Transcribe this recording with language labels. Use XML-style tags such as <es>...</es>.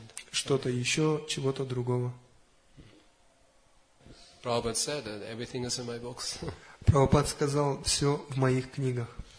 <ru>Что-то еще, чего-то другого.</ru> <en>Prabhupada said that everything is in my books.</en> <ru>Прабхупада сказал, все в моих книгах.</ru>